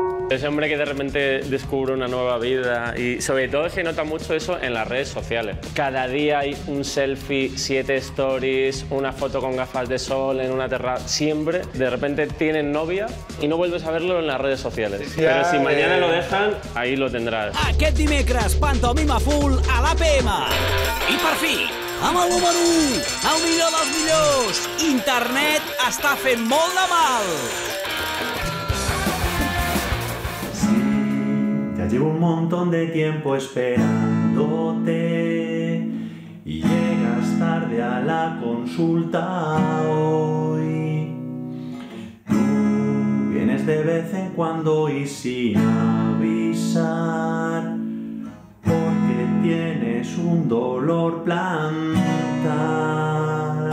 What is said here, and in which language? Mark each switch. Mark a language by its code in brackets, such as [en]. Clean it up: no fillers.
[es] Ese hombre que de repente descubre una nueva vida y sobre todo se nota mucho eso en las redes sociales. Cada día hay un selfie, 7 stories, una foto con gafas de sol en una terraza. Siempre de repente tienen novia y no vuelves a verlo en las redes sociales. Sí, pero si mañana lo dejan, ahí lo tendrás. [ca] Aquest dimecres, pantomima full a l'APM. I per fi, amb el número 1, el millor dels millors. Internet està fent molt de mal. [es] Llevo un montón de tiempo esperándote y llegas tarde a la consulta hoy. Tú vienes de vez en cuando y sin avisar, porque tienes un dolor plantar.